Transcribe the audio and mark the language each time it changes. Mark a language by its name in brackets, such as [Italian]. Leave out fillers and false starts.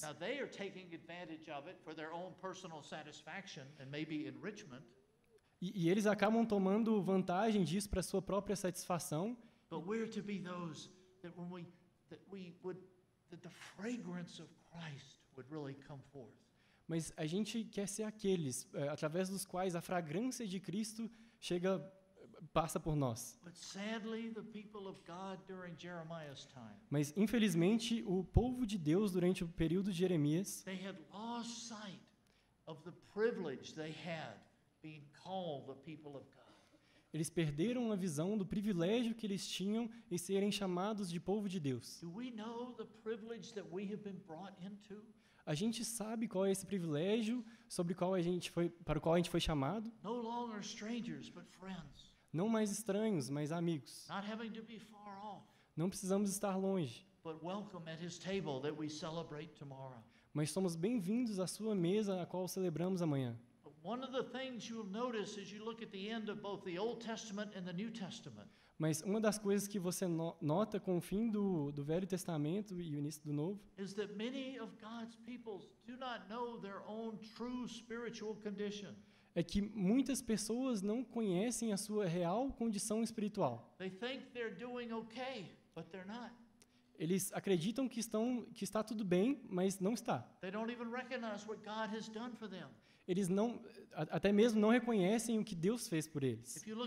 [English] Now they are taking advantage of it for their own personal satisfaction and maybe enrichment. [Portuguese] E eles acabam tomando vantagem disso para sua própria satisfação. [English] But we're to be those that when we that we would that the fragrance of Christ would really come forth. [Portuguese] Mas a gente quer ser aqueles através dos quais a fragrância de Cristo chega, passa por nós. [English] But sadly, the people of God during Jeremiah's time, [Portuguese] mas infelizmente o povo de Deus durante o período de Jeremias, [English] they had lost sight of the privilege they had being called the people of God. [Portuguese] Eles perderam a visão do privilégio que eles tinham em serem chamados de povo de Deus. [English] Do we know the privilege that we have been brought into? [Portuguese] A gente sabe qual é esse privilégio sobre qual a gente foi, para o qual a gente foi chamado. [English] No longer strangers, but friends. [Portuguese] Não mais estranhos, mas amigos. [English] Not having to be far off. [Portuguese] Não precisamos estar longe. [English] But welcome at his table that we celebrate tomorrow. [Portuguese] Mas somos bem-vindos à sua mesa, a qual celebramos amanhã. [English] One of the things you'll notice as you look at the end of both the Old Testament and the New Testament. [Portuguese] Mas uma das coisas que você nota com o fim do Velho Testamento e o início do Novo [English] is that many of God's people do not know their own true spiritual condition. [Portuguese] É que muitas pessoas não conhecem a sua real condição espiritual. [English] They think they're doing okay, but they're not. [Portuguese] Eles acreditam que está tudo bem, mas não está. [English] They don't even recognize what God has done for them. [Portuguese] Eles não, até mesmo não reconhecem o que Deus fez por eles.